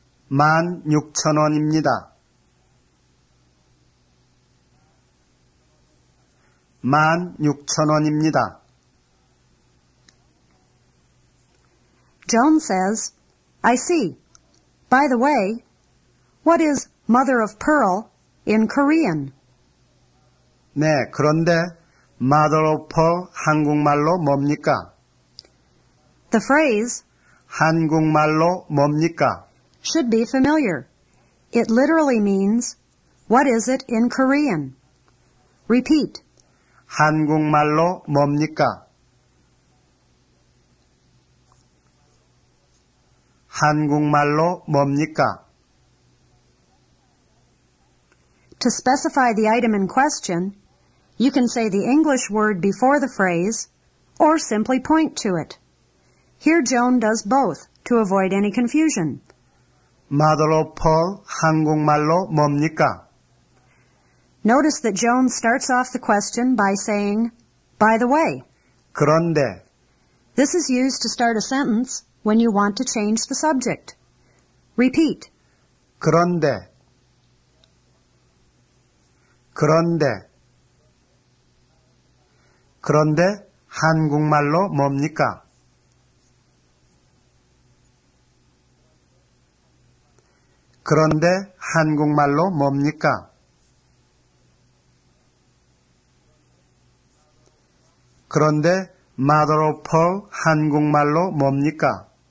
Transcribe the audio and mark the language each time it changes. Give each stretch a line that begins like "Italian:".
Korean: 16,000원입니다16,000원입니다
English: Joan says, I see. By the way, what is mother of pearl in Korean?
Korean: 네, 그런데 mother of pearl 한국말로뭡니까
English: The phrase
Korean: 한국말로뭡니까
English: should be familiar. It literally means, what is it in Korean? Repeat.
Korean: 한국말로뭡니까한국말로뭡니까
English: To specify the item in question, you can say the English word before the phrase or simply point to it. Here Joan does both to avoid any confusion.
Korean: Mother of pearl 한국말로뭡니까
English: Notice that Joan starts off the question by saying, By the way.
Korean: 그런데
English: This is used to start a sentence when you want to change the subject. Repeat.
Korean: 그런데그런데그런데한국말로뭡니까 그런데한국말로뭡니까 그런데 mother of pearl 한국말로뭡니까